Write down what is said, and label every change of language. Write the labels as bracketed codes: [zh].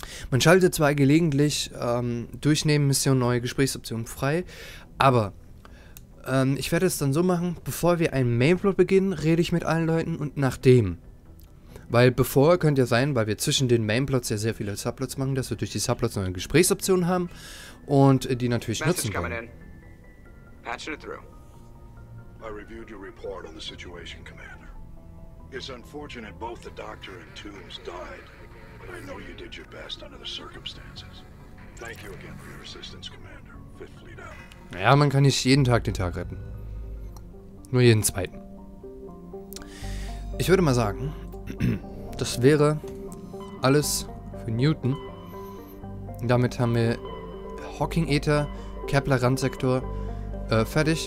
[de] Man schaltet zwar gelegentlich durch Nebenmissionen neue Gesprächsoptionen frei, aber ich werde es dann so machen, bevor wir einen Mainplot beginnen, rede ich mit allen Leuten und nachdem. Weil bevor könnte ja sein, weil wir zwischen den Mainplots ja sehr viele Subplots machen, dass wir durch die Subplots neue Gesprächsoptionen haben und die natürlich nutzen können. [en] Patching it through. I reviewed your report on the situation, Commander. It's unfortunate both the doctor and Toombs died, but I know you did your best under the circumstances. Thank you again for your assistance, Commander. Fifth Fleet out. [de] Naja, man kann nicht jeden Tag den Tag retten. Nur jeden zweiten. Ich würde mal sagen, das wäre alles für Newton. Damit haben wir Hawking Aether, Kepler Randsektor fertig.